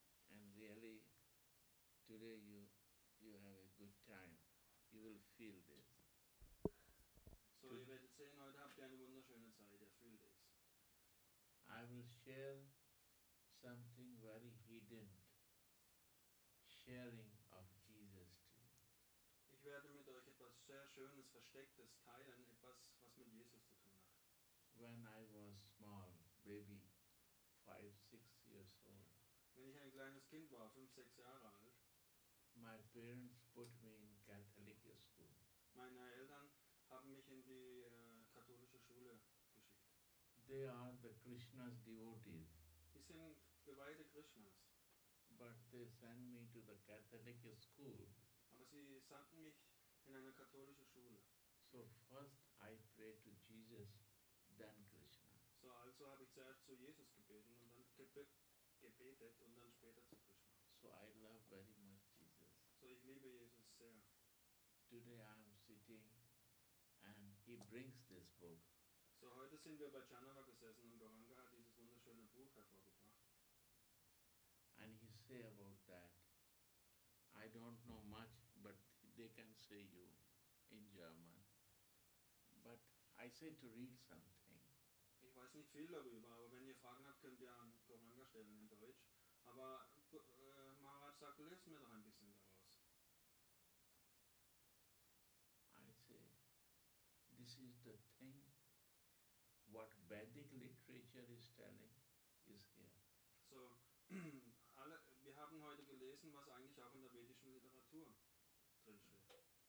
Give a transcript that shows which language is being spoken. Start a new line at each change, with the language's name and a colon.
English: And really, today you have a good time. You will feel this.
German: So ihr werdet sehen, heute habt ihr eine wunderschöne Zeit. Ihr fühlt es.
English: I will share something very hidden. Sharing of Jesus to you.
German: Ich werde mit euch etwas sehr Schönes, Verstecktes teilen, etwas, was mit Jesus zu tun hat.
English: When I was small, baby, 5-6 years old.
German: Wenn ich ein kleines Kind war, 5-6 Jahre alt.
English: My parents put me in Catholic school.
German: Meine Eltern haben mich in die katholische Schule geschickt.
English: They are the Krishna's devotees.
German: Sie sind geweihte Krishnas.
English: But they sent me to the Catholic school.
German: Aber sie sandten mich in eine katholische Schule.
English: So first I prayed to Jesus, then Krishna.
German: So also habe ich zuerst zu Jesus gebeten und dann gebetet und dann später zu Krishna.
English: So I love very much Jesus.
German: So ich liebe Jesus sehr.
English: Today I am sitting and he brings this book.
German: So heute sind wir bei Janava gesessen und Goranga hat dieses wunderschöne Buch hervorgebracht.
English: And he say about that, I don't know much, but they can say you in German. But I say to read something.
German: Ich weiß nicht viel darüber, aber wenn ihr Fragen habt, könnt ihr an Goranga stellen in Deutsch. Aber Maharaj sagt, lest mir doch ein bisschen daraus.
English: I say, this is the thing, what Vedic literature is telling, is here.
German: So, wir haben heute gelesen, was eigentlich auch in der vedischen Literatur drin steht.